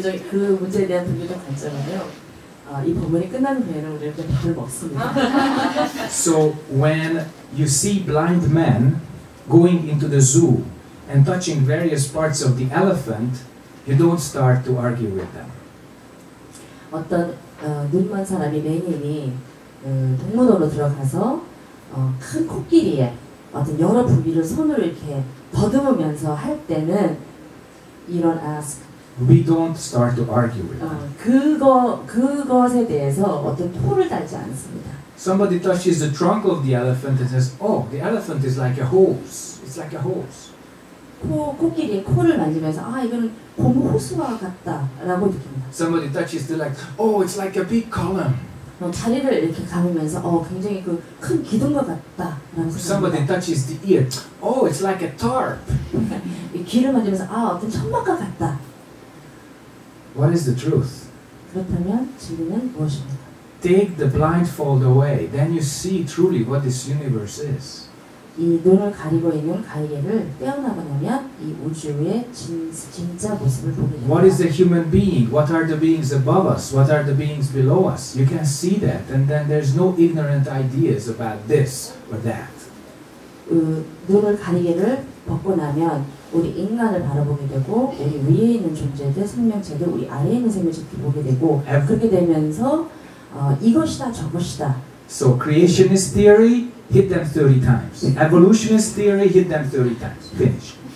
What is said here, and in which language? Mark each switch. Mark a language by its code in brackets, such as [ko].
[ko] 그 문제에 대한 분류적 관점은요, 이 법문이 끝난 후에는 우리 이렇게 밥을 먹습니다. [en] So when you see blind men going into the zoo and touching various parts of the elephant, you don't start to argue with them. [ko] 어떤 눈먼 사람이 맹인이 동물원으로 들어가서 큰 코끼리에 어떤 여러 부위를 손으로 이렇게 더듬으면서 할 때는 이런 ask. [en] We don't start to argue with. [ko] 그것에 대해서 어떤 토를 달지 않습니다. [en] Somebody touches the trunk of the elephant and says, "Oh, the elephant is like a hose. It's like a hose." [ko] 코끼리의 코를 만지면서 아 이거는 고무 호스와 같다라고 느낍니다. [en] Somebody touches the like, "Oh, it's like a big column." [ko] 다리를 이렇게 감으면서 굉장히 그 큰 기둥과 같다 [en] Somebody touches the ear. Oh, it's like a tarp. [ko] 귀를 만지면서 어떤 천막과 같다. [en] What is the truth? [ko] 그렇다면 진리는 무엇입니까? [en] Take the blindfold away, then you see truly what this universe is. [ko] 이 눈을 가리고 있는 가위개를 떼어나가려면 이 우주의 진짜 모습을 보게 됩니다. [en] What is a human being? What are the beings above us? What are the beings below us? You can see that, and then there's no ignorant ideas about this or that. [ko] 눈을 가리개를 벗고 나면 우리 인간을 바라보게 되고 우리 위에 있는 존재들, 생명체들, 우리 아래에 있는 생명체들 보게 되고 그렇게 되면서 이것이다 저것이다. [en] So creationist theory. Hit them 30 times. Evolutionist theory, hit them 30 times. Finish.